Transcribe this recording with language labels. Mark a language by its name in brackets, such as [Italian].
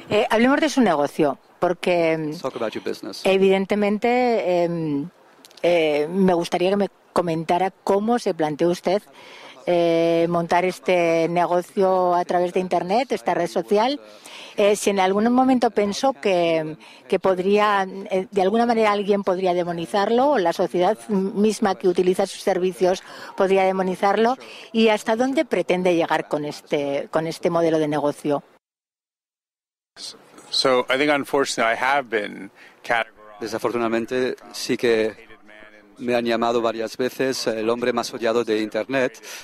[Spanish] Hablemos de su negocio, porque evidentemente me gustaría que me comentara cómo se planteó usted montar este negocio a través de Internet, esta red social, si en algún momento pensó que podría, de alguna manera alguien podría demonizarlo, o la sociedad misma que utiliza sus servicios podría demonizarlo, y hasta dónde pretende llegar con este modelo de negocio. [English] So I think unfortunately I have been categorized. [Spanish] Desafortunadamente sí que me han llamado varias veces el hombre más odiado de Internet.